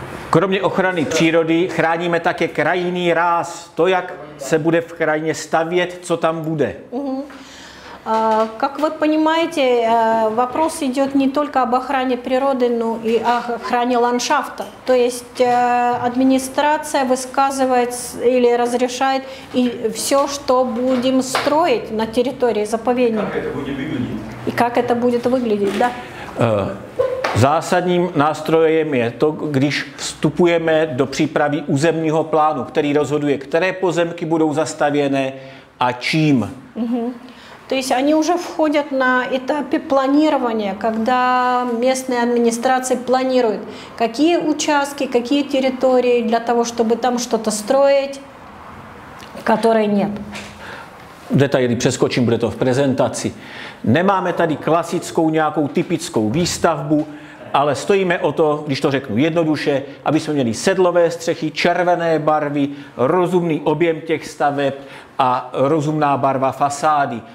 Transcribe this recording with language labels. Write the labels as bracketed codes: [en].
[cs] Kromě ochrany přírody chráníme také krajinný ráz, to, jak se bude v krajině stavět, co tam bude. [ru] Как вы понимаете, вопрос идет не только об охране природы, но и о охране ландшафта. То есть администрация высказывает или разрешает и все, что будем строить на территории заповедника. Как это будет выглядеть? И как это будет выглядеть, да. [cs] Zásadním nástrojem je to, když vstupujeme do přípravy územního plánu, který rozhoduje, které pozemky budou zastavěné a čím. [ru] То есть они уже входят на этапе планирования, когда местные администрации планируют, какие участки, какие территории для того, чтобы там что-то строить, которой нет. [cs] Detaily přeskočím, bude to v prezentaci. Nemáme tady klasickou nějakou typickou výstavbu, ale stojíme o to, když to řeknu jednoduše, aby jsme měli sedlové střechy, červené barvy, rozumný objem těch staveb a rozumná barva fasády.